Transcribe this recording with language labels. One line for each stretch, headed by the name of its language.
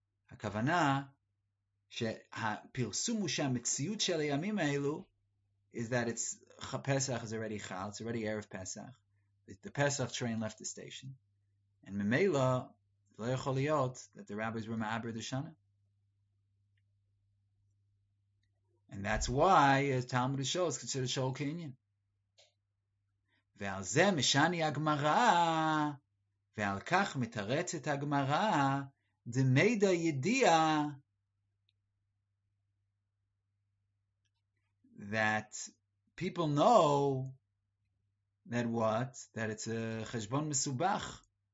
Hebrew: הכוונה שהפרסום הוא שהמציאות של הימים האלו
English: is that it's Pesach is already chal, it's already Erev Pesach. The Pesach train left the station. And
Hebrew: ממילא לא יכול להיות
English: that the rabbis were ma'abr the shana. And that's why Talmud Shoal is considered Shoal Kenyan.
Hebrew: ועל זה משני הגמרא ועל כך מתרצת הגמרא דמידה ידיעה
English: that people know that what? That it's a חשבון מסובך.